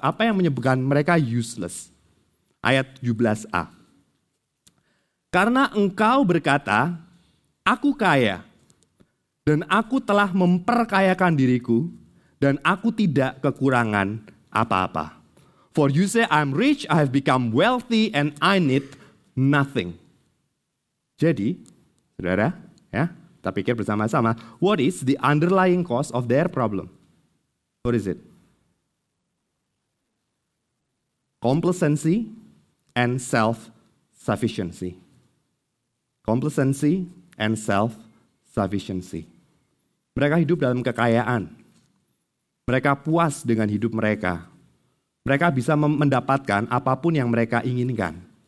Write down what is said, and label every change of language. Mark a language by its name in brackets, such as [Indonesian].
[Indonesian] Apa yang menyebabkan mereka useless? Ayat 17a. Karena engkau berkata, aku kaya, dan aku telah memperkayakan diriku, dan aku tidak kekurangan apa-apa. [English] For you say, I'm rich, I have become wealthy, and I need nothing. [Indonesian] Jadi, saudara, ya, kita pikir bersama-sama, [English] what is the underlying cause of their problem? What is it? Complacency and self-sufficiency. Complacency and self-sufficiency. [Indonesian] Mereka hidup dalam kekayaan. Mereka puas dengan hidup mereka. Mereka bisa mendapatkan apapun yang mereka inginkan.